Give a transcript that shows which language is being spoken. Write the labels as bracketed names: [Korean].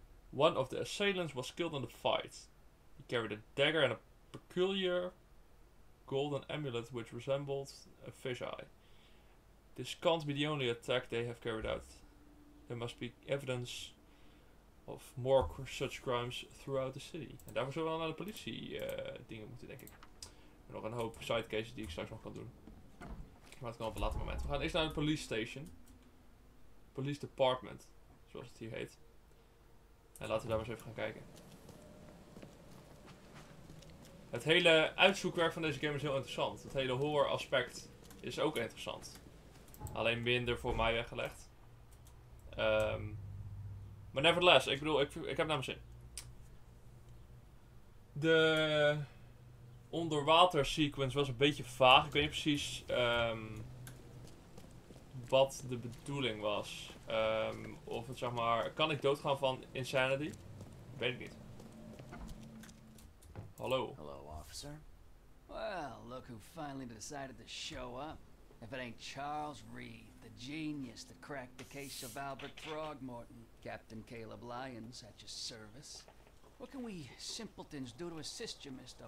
[English] One of the assailants was killed in the fight. He carried a dagger and a peculiar golden amulet which resembled a fish eye. This can't be the only attack they have carried out. There must be evidence of more such crimes throughout the city. [Dutch] En daarvoor zullen we wel naar de politie dingen moeten, denk ik. En nog een hoop side cases die ik straks nog kan doen. Maar dat kan op een later moment. We gaan eerst naar de police station. Police department, zoals het hier heet. En laten we daar maar eens even gaan kijken. Het hele uitzoekwerk van deze game is heel interessant. Het hele horror aspect is ook interessant. Alleen minder voor mij weggelegd. Maar nevertheless, ik bedoel, ik heb naar mijn zin. De onderwater sequence was een beetje vaag. Ik weet niet precies wat de bedoeling was. Of het zeg maar, kan ik doodgaan van insanity? Weet ik niet. Hallo. Hallo, officer. [English] Well, look who finally decided to show up. If it ain't Charles Reed, the genius that cracked the case of Albert Throgmorton. Captain Caleb Lyons at your service. What can we simpletons do to assist you, Mr.